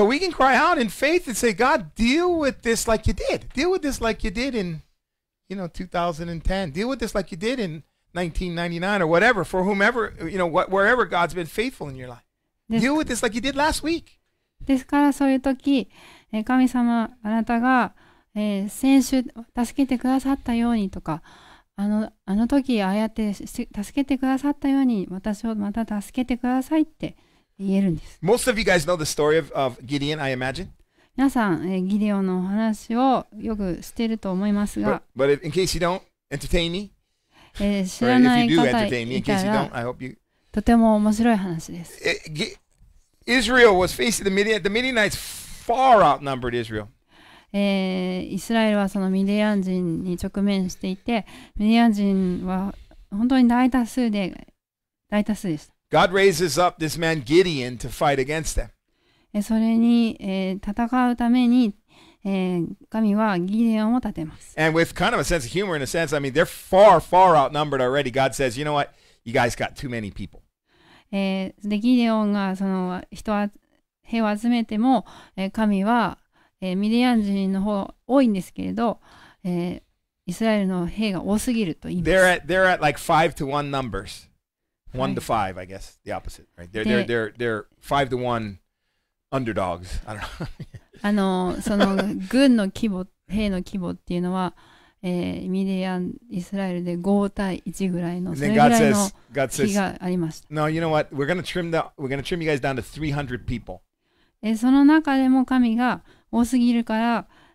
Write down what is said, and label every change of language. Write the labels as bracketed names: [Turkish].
[English] So we can cry out in faith and say, God, deal with this like you did. Deal with this like you did in, you know, 2010. Deal with this like you did in 1999 or whatever, for whomever, you know, wherever God's been faithful in your life. Deal with this like you did last week. [Japanese] ですからそういう時、神様、あなたが、先週助けてくださったようにとか、あの時ああやって助けてくださったように私をまた助けてくださいって言えるんです。 [English] Most of you guys know the story of Gideon, I imagine. [Japanese] 皆さん、ギデオンの話をよく知っていると思いますが。 [English] But in case you don't, entertain me. [Japanese] 知らない方いたら、とても面白い話です。 [English] Israel was facing the Midianites. The Midianites far outnumbered Israel. [Japanese] イスラエルはそのミディアン人に直面していて、ミディアン人は本当に大多数でした。 [English] God raises up this man Gideon to fight against them. [Japanese] それに、戦うために、神はギデオンを立てます。 [English] And with kind of a sense of humor, in a sense, I mean, they're far, far outnumbered already. God says, you know what? You guys got too many people. [Japanese] で、ギデオンがその人は兵を集めても、神はミディアン人の方が多いんですけれど、イスラエルの兵が多すぎると言います。 [English] They're at like 5-1 numbers. 1-5, I guess. The opposite, right? They're 5-1 underdogs. I don't know. [Japanese] その軍の規模、兵の規模っていうのは、ミディアン、イスラエルで5-1ぐらいの、それぐらいの気がありました。 [English] No, you know what? We're gonna trim you guys down to 300 people. [Japanese] その中でも神が多すぎるから、